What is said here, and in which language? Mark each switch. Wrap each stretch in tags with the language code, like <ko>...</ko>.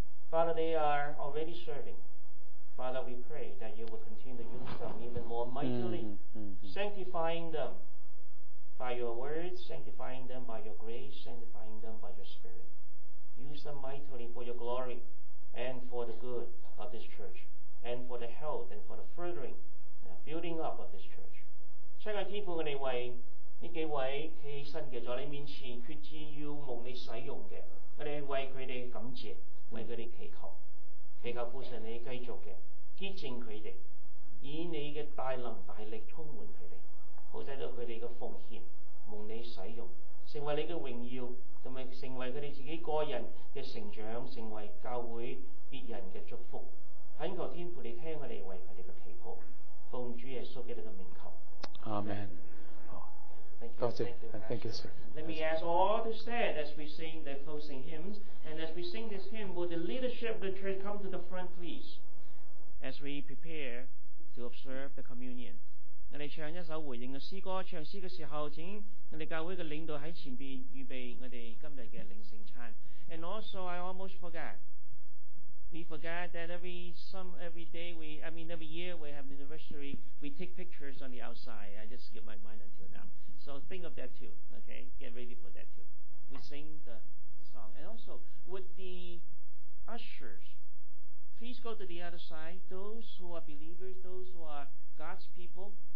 <en>Father, they are already serving. Father, we pray that you will continue to use them even more mightily, sanctifying them by your words, sanctifying them by your grace, sanctifying them by your spirit. Use them mightily for your glory and for the good of this church, and for the health and for the furthering and building up of this church.</en> <zh>亲爱天父，我们为这几位起身的在你面前决志要蒙你使用的，我们为他们感谢，为他们祈求。祈求父神你继续的洁净他们，以你的大能大力充满他们，好使到他们的奉献蒙你使用，成为你的荣耀，同埋成为他们自己个人的成长，成为教会别人的祝福。恳求天父你听我们为他们的祈祷，奉主耶稣基督的名求。阿门。</zh> <en>Thank you. Thank you, sir. Let me ask all to stand as we sing the closing hymns. And as we sing this hymn, will the leadership of the church come to the front, please? As we prepare to observe the communion.</en> <zh>我们唱一首回应的诗歌，唱诗的时候，请我们教会的领导在前面预备我们今天的领圣餐。</zh> <en>And also, I almost forgot. We forgot that every year we have an anniversary, we take pictures on the outside. I just skipped my mind until now. So think of that too, okay? Get ready for that too. We sing the song. And also, would the ushers please go to the other side? Those who are believers, those who are God's people,</en>